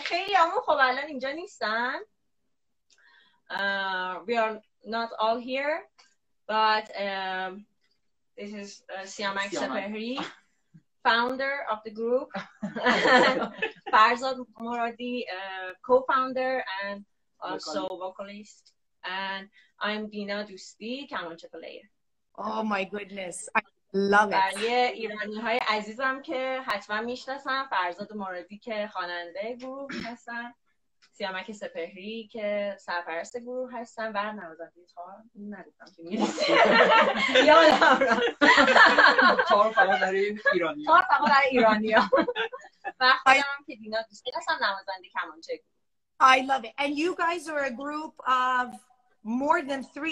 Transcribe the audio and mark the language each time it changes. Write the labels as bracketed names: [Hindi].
[Persian] خیلی همون خب الان اینجا نیستن. [English] We are not all here, but this is Siamak Sepehri, founder of the group. Farzad Zomordi, co-founder and also vocalist. And I'm Dina Dusti, کمانچه player. Oh my goodness, I love it. [Persian] برای ایرانی های عزیزم که حتما میشناسن فرزاد مرادی که خواننده گروه هستن، سیامک سپهری که سرپرست گروه هستن و نوازنده گیتار ندیدم که میرسی یادم را تار فقط در ایرانی ها و خودم که دینا دوستی هستم نوازنده کمانچه گروه. [English] I love it. And you guys are a group of more than 3.